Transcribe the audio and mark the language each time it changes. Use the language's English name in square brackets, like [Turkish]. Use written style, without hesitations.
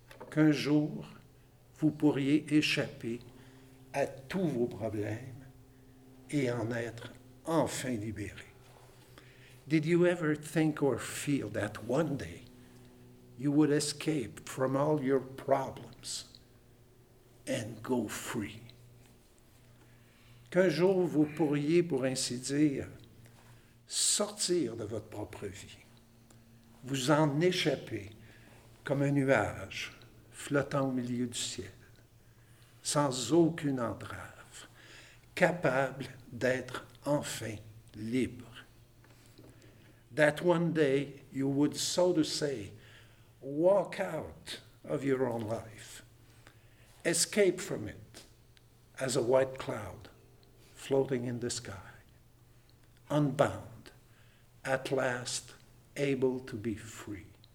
[French] Qu'un jour, vous pourriez échapper à tous vos problèmes et en être enfin libéré. [English] Did you ever think or feel that one day you would escape from all your problems and go free? [French] Qu'un jour, vous pourriez, pour ainsi dire, sortir de votre propre vie, vous en échapper comme un nuage flottant au milieu du ciel, sans aucune entrave, capable d'être enfin libre. [English] That one day you would, so to say, walk out of your own life, escape from it as a white cloud floating in the sky, unbound, at last able to be free.